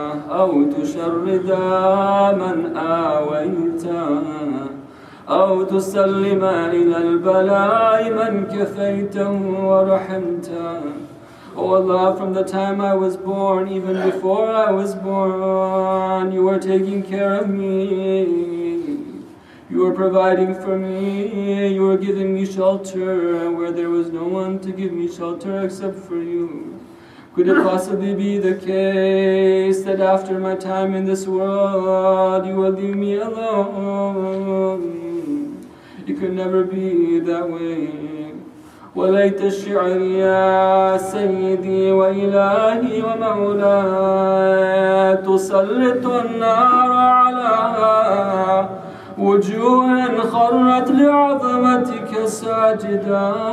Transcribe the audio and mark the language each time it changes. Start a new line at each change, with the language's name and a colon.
Arabic: أو تشرد من آويت أو تسلم إلى البلاء من كفيته ورحمت.
English: Oh Allah, from the time I was born, even before I was born, you were taking care of me. You were providing for me. You were giving me shelter where there was no one to give me shelter except for you. Could it possibly be the case that after my time in this world, you would leave me alone? It could never be that way.
Arabic: وليت الشعر يا سيدي وإلهي ومولاي تسلط النار على وجوه خرت لعظمتك ساجدا